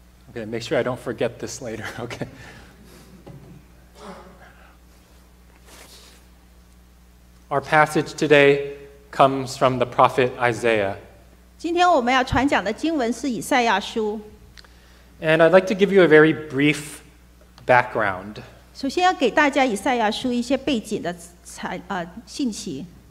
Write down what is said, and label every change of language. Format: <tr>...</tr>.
<en>Okay, make sure I don't forget this later, okay? Our passage today comes from the prophet Isaiah.</en> <zh>今天我们要传讲的经文是以赛亚书。</zh> <en>And I'd like to give you a very brief background.</en> <zh>首先要给大家以赛亚书一些背景的信息。</zh>